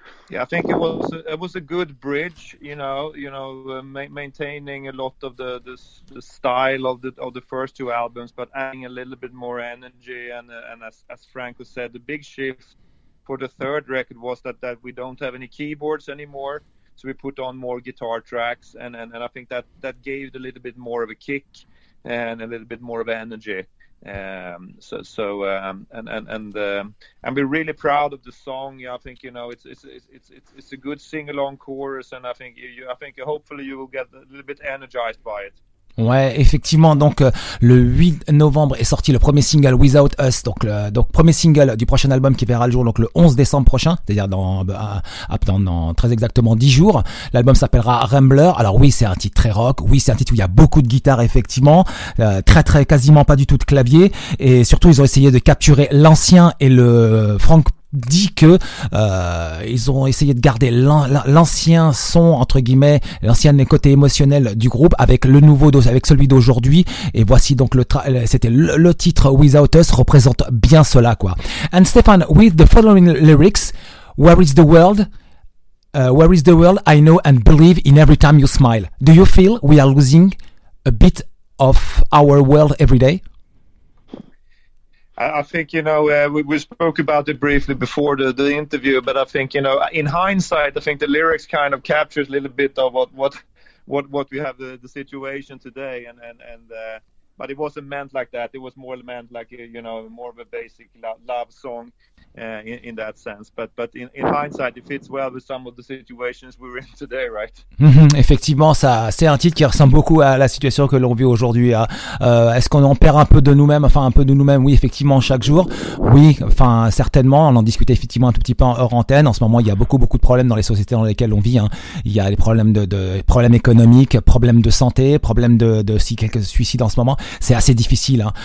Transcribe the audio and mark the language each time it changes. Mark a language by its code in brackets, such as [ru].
[en] Yeah, I think it was a good bridge, you know, maintaining a lot of the style of the first two albums, but adding a little bit more energy and as Franco said, the big shift for the third record was that we don't have any keyboards anymore, so we put on more guitar tracks and I think that gave it a little bit more of a kick and a little bit more of energy. And we're really proud of the song. Yeah, I think you know it's a good sing along chorus, and I think I think hopefully you will get a little bit energized by it. [fr] Ouais, effectivement, donc le 8 novembre est sorti le premier single Without Us, donc premier single du prochain album qui verra le jour donc le 11 décembre prochain, c'est-à-dire dans très exactement 10 jours. L'album s'appellera Rambler. Alors oui, c'est un titre très rock, oui, c'est un titre où il y a beaucoup de guitare effectivement, très très quasiment pas du tout de clavier, et surtout ils ont essayé de capturer l'ancien et le Frank dit que ils ont essayé de garder l'ancien son entre guillemets, l'ancien côté émotionnel du groupe avec le nouveau, avec celui d'aujourd'hui, et voici donc le titre Without Us représente bien cela quoi. [en] And Stefan, with the following lyrics, where is the world, where is the world I know and believe in every time you smile, do you feel we are losing a bit of our world every day? I think, you know, we spoke about it briefly before the interview, but I think, you know, in hindsight, I think the lyrics kind of captures a little bit of what we have the situation today. But it wasn't meant like that. It was more meant like, you know, more of a basic love song in that sense. But in hindsight, it fits well with some of the situations we're in today, right? [fr] Effectivement, ça, c'est un titre qui ressemble beaucoup à la situation que l'on vit aujourd'hui. Est-ce qu'on en perd un peu de nous-mêmes? Enfin, un peu de nous-mêmes, oui, effectivement, chaque jour. Oui, enfin, certainement. On en discutait effectivement un tout petit peu hors antenne. En ce moment, il y a beaucoup, beaucoup de problèmes dans les sociétés dans lesquelles on vit. Hein. Il y a les problèmes de problèmes économiques, problèmes de santé, problèmes de si quelques suicides en ce moment. C'est assez difficile, hein.